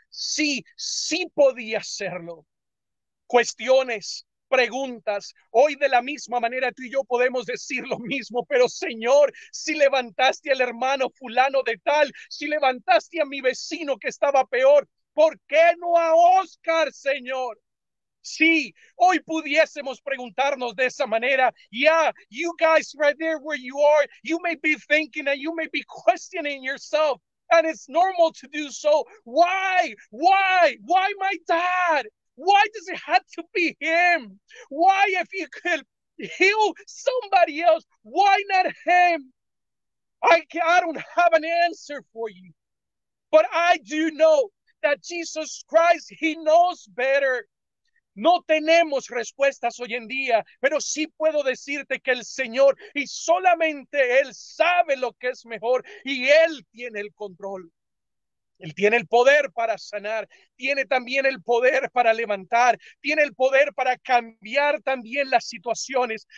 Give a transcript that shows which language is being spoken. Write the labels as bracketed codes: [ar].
[es] Sí, sí podía hacerlo. Cuestiones. Preguntas. Hoy de la misma manera tú y yo podemos decir lo mismo, pero Señor, si levantaste al hermano fulano de tal, si levantaste a mi vecino que estaba peor, ¿por qué no a Óscar, Señor? Sí, hoy pudiésemos preguntarnos de esa manera. [en] Yeah, you guys right there where you are, you may be thinking and you may be questioning yourself, and it's normal to do so. Why my dad? Why does it have to be him? Why, if you could heal somebody else, why not him? I don't have an answer for you. But I do know that Jesus Christ, he knows better. [es] No tenemos respuestas hoy en día, pero sí puedo decirte que el Señor, y solamente Él sabe lo que es mejor, y Él tiene el control. Él tiene el poder para sanar, tiene también el poder para levantar, tiene el poder para cambiar también las situaciones.